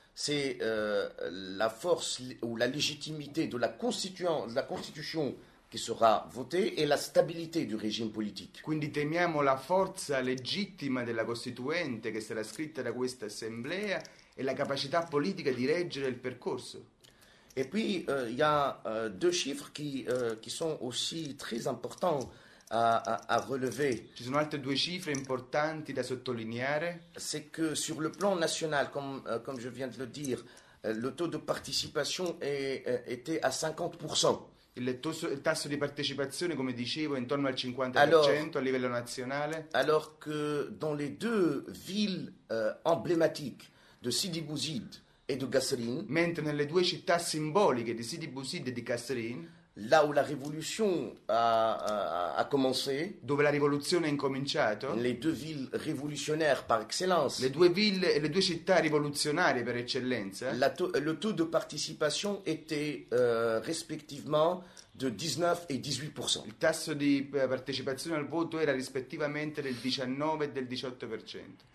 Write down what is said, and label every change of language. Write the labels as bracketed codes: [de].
[fr] C'est la force ou la légitimité de la Constitution qui sera votée et la stabilité du régime politique. [it] Quindi temiamo la forza legittima della Costituente che sarà scritta da questa Assemblea e la capacità politica di reggere il percorso. [fr] Et puis, il y a deux chiffres qui sont aussi très importants à relever. [it] Ci sono altre due cifre importanti da sottolineare. [fr] C'est que sur le plan national, comme je viens de le dire, le taux de participation était à 50%. [it] Il tasso di partecipazione, come dicevo, è intorno al [fr] Alors [it] 50% a livello nazionale. [fr] que dans les deux villes emblématiques de Sidi Bouzid et de Gasserine, [it] Mentre nelle due città simboliche di Sidi Bouzid e di Kasserine, [fr] là où la révolution a commencé, [it] dove la rivoluzione ha incominciato, [fr] les deux villes révolutionnaires par [it] le [fr] excellence, [it] due ville e le due città rivoluzionarie per eccellenza, [fr] le taux de participation était respectivement de 19 et 18%. [it] il tasso di partecipazione al voto era rispettivamente del 19 e del 18%.